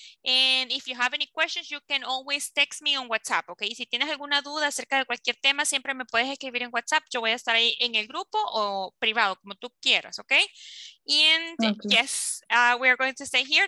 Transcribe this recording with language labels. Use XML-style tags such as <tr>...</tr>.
<en>And if you have any questions, you can always text me on WhatsApp.</en> <es>Okay, y si tienes alguna duda acerca de cualquier tema, siempre me puedes escribir en WhatsApp. Yo voy a estar ahí en el grupo o privado, como tú quieras.</es> <en>Okay, and okay, yes, we are going to stay here.</en>